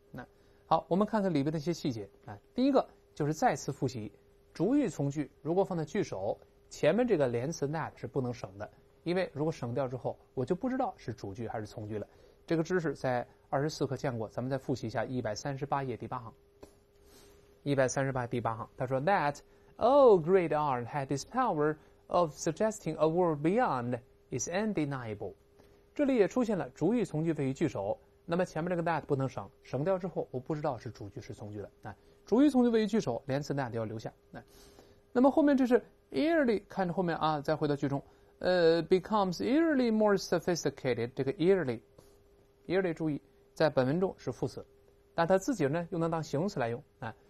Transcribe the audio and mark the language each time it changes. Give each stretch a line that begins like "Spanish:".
Chinese: 那好，我们看看里边的一些细节啊。第一个就是再次复习，主语从句如果放在句首，前面这个连词 that 是不能省的。因为如果省掉之后，我就不知道是主句还是从句了。这个知识在24课见过，咱们再复习一下138页第八行。 138页第八行，他说
English: That all great art had this power of suggesting a world beyond is undeniable。
Chinese: 这里也出现了主语从句位于句首，那么前面这个 that 不能省，省掉之后我不知道是主句是从句了。主语从句位于句首，连词 that 要留下。那么后面这是 yearly， 看着后面啊，再回到句中。
English: Becomes yearly more sophisticated，
Chinese: 这个 yearly 注意在本文中是副词，但它自己呢又能当形容词来用啊。